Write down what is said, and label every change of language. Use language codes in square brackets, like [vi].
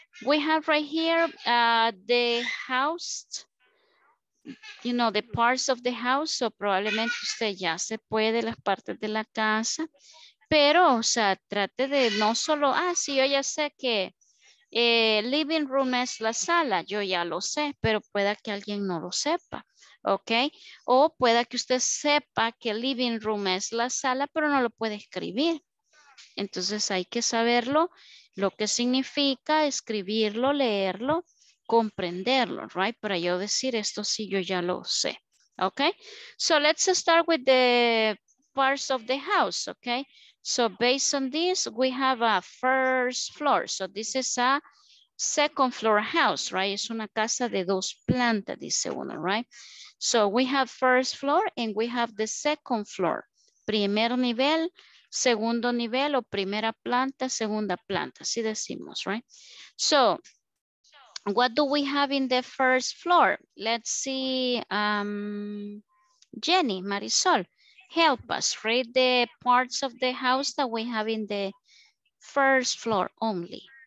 [en] We have right here the house, you know, the parts of the house. [es] So probablemente usted ya se puede las partes de la casa, pero o sea, trate de no solo, ah, sí, yo ya sé que living room es la sala, yo ya lo sé, pero pueda que alguien no lo sepa. Ok, o pueda que usted sepa que living room es la sala, pero no lo puede escribir. Entonces hay que saberlo, lo que significa escribirlo, leerlo, comprenderlo, right? Para yo decir esto sí, yo ya lo sé. [en] Ok, so let's start with the parts of the house. Ok, so based on this, we have a first floor. So this is a second floor house, right? [es] Es una casa de dos plantas, dice uno, [en] right? So we have first floor and we have the second floor. [es] Primer nivel, segundo nivel o primera planta, segunda planta, así decimos, right? [en] So what do we have in the first floor? Let's see, Jenny, Marisol, help us read the parts of the house that we have in the first floor only.